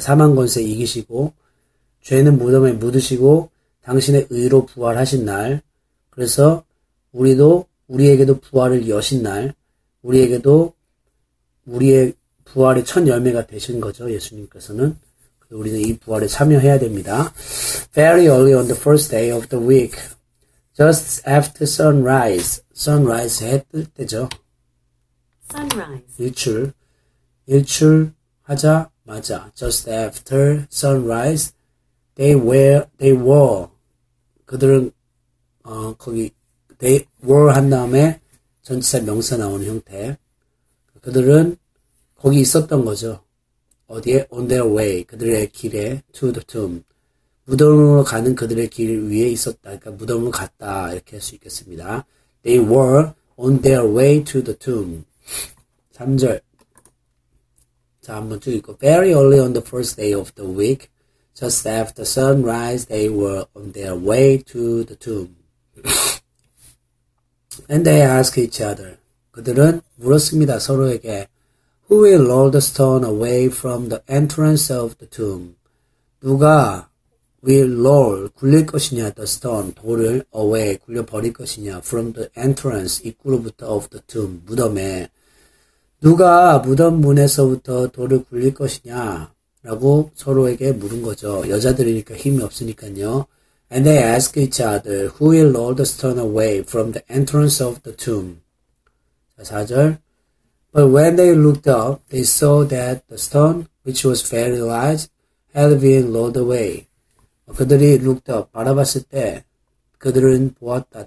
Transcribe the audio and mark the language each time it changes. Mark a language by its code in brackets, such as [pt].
[ko] 사망 권세 이기시고, 죄는 무덤에 묻으시고, 당신의 의로 부활하신 날. 그래서, 우리도, 우리에게도 부활을 여신 날. 우리에게도, 우리의 부활의 첫 열매가 되신 거죠. 예수님께서는. 그래서 우리는 이 부활에 참여해야 됩니다. [en] Very early on the first day of the week. Just after sunrise. Sunrise [ko] 해뜰 때죠. [en] Sunrise. [ko] 일출. 일출. 하자 맞아. [en] Just after sunrise, they were. [ko] 그들은 거기 [en] they were [ko] 한 다음에 전치사 명사 나오는 형태. 그들은 거기 있었던 거죠. 어디에? [en] On their way. [ko] 그들의 길에 [en] to the tomb. [ko] 무덤으로 가는 그들의 길 위에 있었다. 그러니까 무덤으로 갔다 이렇게 할수 있겠습니다. [en] They were on their way to the tomb. [ko] 3절. 자, 한번 쭉 읽고. [en] Very early on the first day of the week, just after sunrise, they were on their way to the tomb. And they asked each other. [ko] 그들은 물었습니다, 서로에게. [en] Who will roll the stone away from the entrance of the tomb? [ko] 누가 [en] will roll, [ko] 굴릴 것이냐, [en] the stone, [ko] 돌을 [en] away, [ko] 굴려버릴 것이냐, [en] from the entrance, [ko] 입구로부터 [en] of the tomb, [ko] 무덤에. 누가 무덤 문에서부터 돌을 굴릴 것이냐? 라고 서로에게 물은 거죠. 여자들이니까 힘이 없으니까요. [en] And they ask each other, who will roll the stone away from the entrance of the tomb? [ko] 4절. [en] But when they looked up, they saw that the stone, which was very large, had been rolled away. [ko] 그들이 [en] looked up, [ko] 바라봤을 때, 그들은 보았다.